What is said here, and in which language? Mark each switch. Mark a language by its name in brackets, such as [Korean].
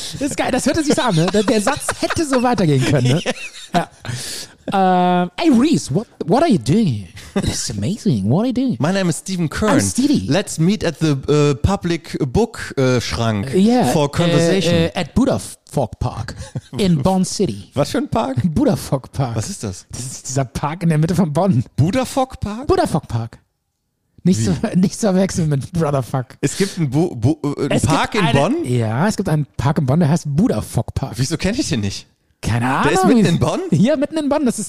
[German] Das ist geil, das hört sich so an, ne? Der Satz hätte so weitergehen können, ne? Ja. [English] Hey Reese, what are you doing here? It's amazing. What are you doing? My name is Stephen Kern. I'm Stevie. Let's meet at the public book Schrank for conversation. At Buddha Fog Park in Bonn City. [German] Was für ein Park? Buddha Fog Park. Was ist das? Das ist dieser Park in der Mitte von Bonn. Buddha Fog Park? Buddha Fog Park. Nicht zu verwechseln mit Brotherfuck. Es gibt einen Park in Bonn? Ja, es gibt einen Park in Bonn, der heißt Buddha Fog Park. Wieso kenne ich den nicht? Keine Ahnung. Der ist mitten in Bonn? Ja, mitten in Bonn. Das ist